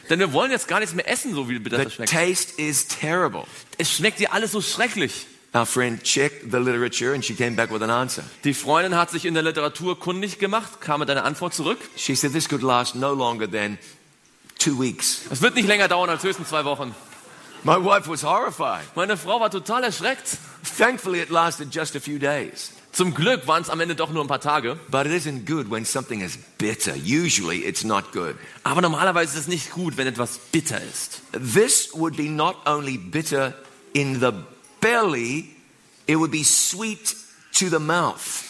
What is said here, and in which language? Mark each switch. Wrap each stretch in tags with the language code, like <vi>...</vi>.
<de>Denn wir wollen jetzt gar nichts mehr essen, so wie bitter das schmeckt.</de> <en>The taste is terrible.</en> <de>Es schmeckt ja alles so schrecklich.</de> <en>Our friend checked the literature and she came back with an answer.</en> <de>Die Freundin hat sich in der Literatur kundig gemacht, kam mit einer Antwort zurück.</de> <en>She said this could last no longer than 2 weeks.</en> <de>Es wird nicht länger dauern als höchstens 2 Wochen.</de> <en>My wife was horrified.</en> <de>Meine Frau war total erschreckt.</de> <en>Thankfully it lasted just a few days.</en> <de>Zum Glück waren es am Ende doch nur ein paar Tage.</de> <en>But it isn't good when something is bitter. Usually it's not good.</en> <de>Aber normalerweise ist es nicht gut, wenn etwas bitter ist.</de> <en>This would be not only bitter in the belly, it would be sweet to the mouth.</en>